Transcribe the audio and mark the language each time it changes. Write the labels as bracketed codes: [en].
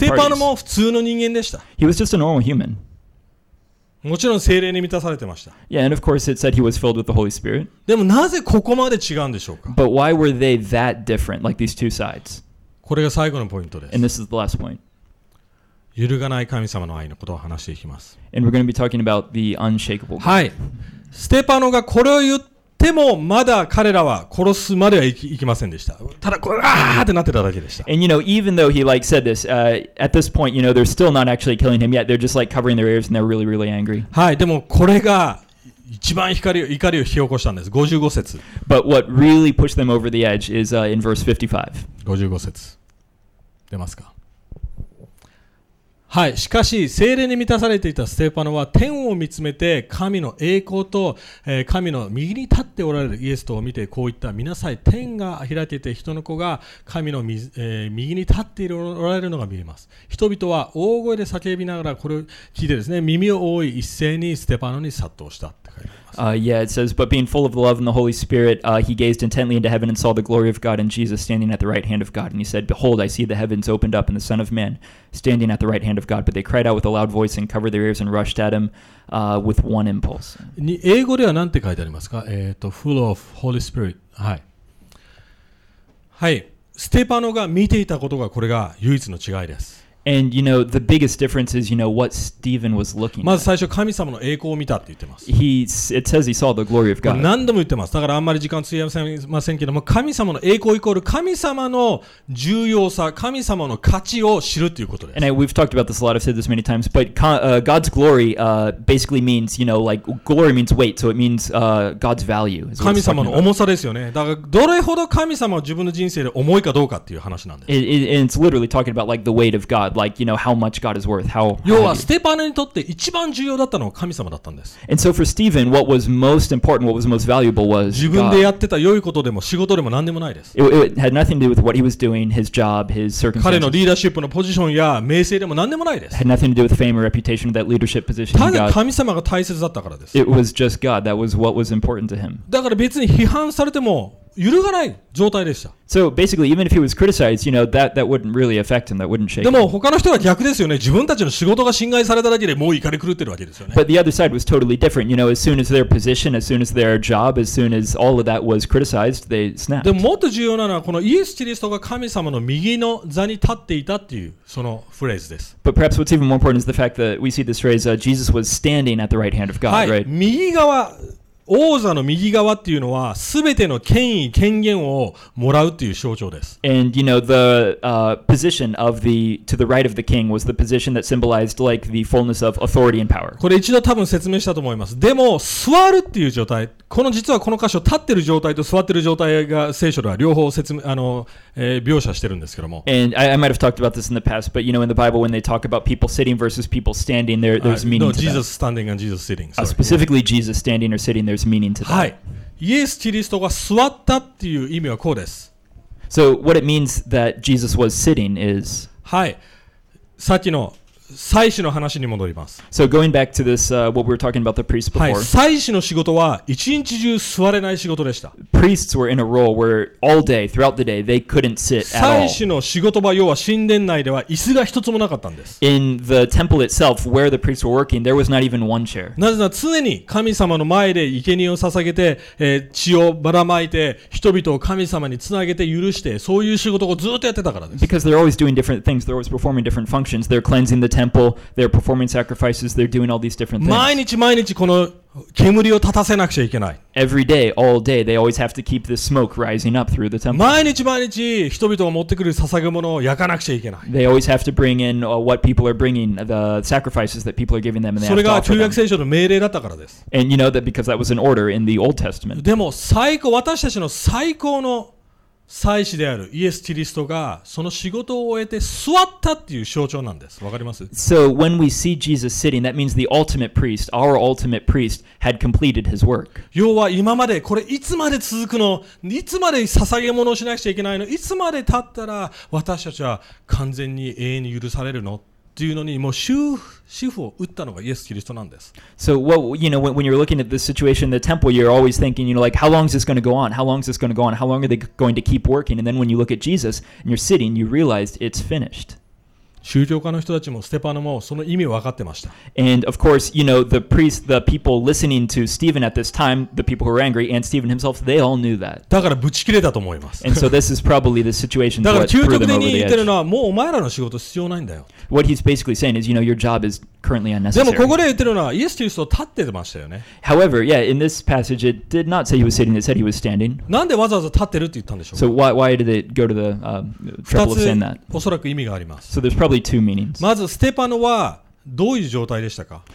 [ja] ステパノも普通の人間でした。 [en] He was just a normal human. [ja] もちろん聖霊に満たされてました。 [en] Yeah, and of course it said he was filled with the Holy Spirit. [ja] でもなぜここまで違うんでしょうか？ [en] But why were they that different, like these two sides? [ja] これが最後のポイントです。 [en] And this is the last point. [ja] 揺るがない神様の愛のことを話していきます。 [en] And we're going to be talking about the unshakable God. [ja] はい。ステパノがこれを言って、でもまだ彼らは殺すまでは行きませんでした。ただこうあーってなってただけでした。 [en] And you know, even though he like said this, at this point, you know, they're still not actually killing him yet. They're just like covering their ears and they're really, really angry. [ja] はい、でもこれが一番怒りを引き起こしたんです。 55節。 [en] But what really pushed them over the edge is in verse 55. [ja] 55節。出ますか。はい、しかし聖霊に満たされていたステファノは天を見つめて神の栄光と、神の右に立っておられるイエスとを見てこう言った。見なさい、天が開けて人の子が神の、右に立っておられるのが見えます。人々は大声で叫びながらこれを聞いてですね、耳を覆い一斉にステファノに殺到したって書いてあります。 [en] Yeah, it says, but being full of the love and the Holy Spirit, he gazed intently into heaven and saw the glory of God and Jesus standing at the right hand of God. And he said, Behold, I see the heavens opened up and the Son of Man standing at the right hand of God. But they cried out with a loud voice and covered their ears and rushed at him with one impulse. [ja] 英語では何て書いてありますか？ [en] Full of Holy Spirit. [ja] はい。はい。ステパノが見ていたことがこれが唯一の違いです。 [en] And you know the biggest difference is you know what Stephen was looking at. [ja] まず最初神様の栄光を見たって言ってます。 [en] It says he saw the glory of God. [ja] 何度も言ってます。だからあんまり時間費やせませんけども、神様の栄光イコール神様の重要さ、神様の価値を知るということです。 [en] And we've talked about this a lot. I've said this many times, but God's glory basically means you know like glory means weight, so it means God's value. [ja] 神様の重さですよね。だからどれほど神様は自分の人生で重いかどうかっていう話なんです。 [en] It's literally talking about like the weight of God. Like, you know, how much God is worth. How [ja] 要はステパノにとって一番重要だったのは神様だったんです。 [en] And so for Stephen, what was most important, what was most valuable was God. [ja] 自分でやってた良いことでも仕事でも何でもないです。 [en] It had nothing to do with what he was doing, his job, his circumstances. [ja] 彼のリーダーシップのポジションや名声でも何でもないです。 [en] Had nothing to do with fame or reputation or that leadership position. [ja] ただ神様が大切だったからです。 [en] It was just God. That was what was important to him. [ja] だから別に批判されても揺るがない状態でした。 [en] So basically, even if he was criticized, you know, that wouldn't really affect him, that wouldn't shake him. [ja] でも他の人は逆ですよね。自分たちの仕事が侵害されただけでもう怒り狂ってるわけですよね。 [en] But the other side was totally different. You know, as soon as their position, as soon as their job, as soon as all of that was criticized, they snapped. [ja] でももっと重要なのはこのイエス・キリストが神様の右の座に立っていたっていうそのフレーズです。 [en] But perhaps what's even more important is the fact that we see this phrase, Jesus was standing at the right hand of God, right? [ja] はい、右側。王座の右側っていうのは全ての権威権限をもらうっていう象徴です。 [en] And you know the position of the to the right of the king was the position that symbolized like the fullness of authority and power. [ja] これ一度多分説明したと思います。でも座るっていう状態、この実はこの箇所立ってる状態と座ってる状態が聖書では両方説明描写してるんですけども。 [en] And I might have talked about this in the past, but you know in the Bible when they talk about people sitting versus people standing, there's meaning to that. No, Jesus standing and Jesus sitting. Specifically, Jesus standing or sitting. There's meaning to that. [ja] はい、イエス・キリストが座ったっていう意味はこうです。 [en] So what it means that Jesus was sitting is... [ja] はい、さっきの祭司の話に戻ります。 [en] So going back to this, what we were talking about the priest before. [ja] はい、祭司の仕事は一日中座れない仕事でした。 [en] Priests were in a role where all day, throughout the day, they couldn't sit at all. [ja] 祭司の仕事場、要は神殿内では椅子が一つもなかったんです。 [en] In the temple itself, where the priests were working, there was not even one chair. [ja] なぜなら常に神様の前で生贄を捧げて、血をばらまいて、人々を神様につなげて許して、そういう仕事をずっとやってたからです。 [en] Because they're always doing different things, they're always performing different functions, they're cleansing the temple, they're performing sacrifices, they're doing all these different things. [ja] 毎日毎日この煙を立たせなくちゃいけない。 [en] Every day, all day, they always have to keep the smoke rising up through the temple. [ja] 毎日毎日人々が持ってくる捧げ物を焼かなくちゃいけない。 [en] They always have to bring in what people are bringing, the sacrifices that people are giving them. [ja] それが旧約聖書の命令だったからです。 [en] And you know that because that was an order in the Old Testament. [ja] でも最高、私たちの最高の祭司であるイエス・キリストがその仕事を終えて座ったっていう象徴なんです。わかります？ [en] So when we see Jesus sitting, that means the ultimate priest, our ultimate priest, had completed his work. [ja] 要は今までこれいつまで続くの？いつまで捧げ物をしなくちゃいけないの？いつまで経ったら私たちは完全に永遠に許されるの？っていうのにもう主婦を打ったのがイエス・キリストなんです。 [en] So, well, you know, when you're looking at this situation in the temple, you're always thinking, you know, like, how long is this going to go on? How long is this going to go on? How long are they going to keep working? And then when you look at Jesus and you're sitting, you realize it's finished. [ja] 宗教家の人たちもステパノもその意味を分かってました。 [en] And of course, you know, the priests, the people listening to Stephen at this time, the people who were angry, and Stephen himself, they all knew that. [ja] だからブチ切れたと思います。 [en] And so this is probably the situation that threw them over the edge. [ja] だから究極的に言ってるのは、もうお前らの仕事必要ないんだよ。 [en] What he's basically saying is, you know, your job is currently unnecessary. [ja] でもここで言ってるのは、イエス・キリストは立ってましたよね。 [en] However, yeah, in this passage, it did not say he was sitting, it said he was standing. [ja] なんでわざわざ立ってるって言ったんでしょう。 [en] So why did they go to the trouble of saying that? [ja] 2つ、おそらく意味があります。 [en] So there's probably two meanings. [ja] まずステパノはどういう状態でしたか。